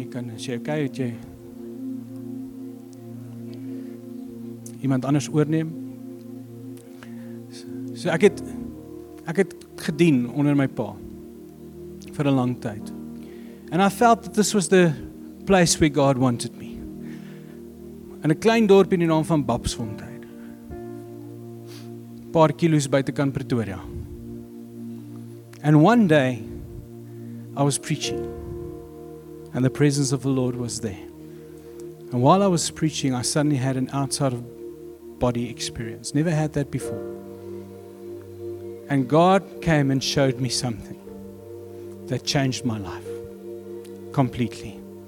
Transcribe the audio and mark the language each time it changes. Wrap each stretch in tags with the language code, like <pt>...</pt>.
<af>Jy kan sê, okay, het jy iemand anders oorneem. So ek het gedien onder my pa</af> <en>for a long time. And I felt that this was the place where God wanted me.</en> <af>In 'n klein dorp in die naam van Babsfontein. Paar kilos buitekant Pretoria.</af> <en>And one day, I was preaching, and the presence of the Lord was there. And while I was preaching, I suddenly had an outside-of-body experience. Never had that before. And God came and showed me something that changed my life completely.</en>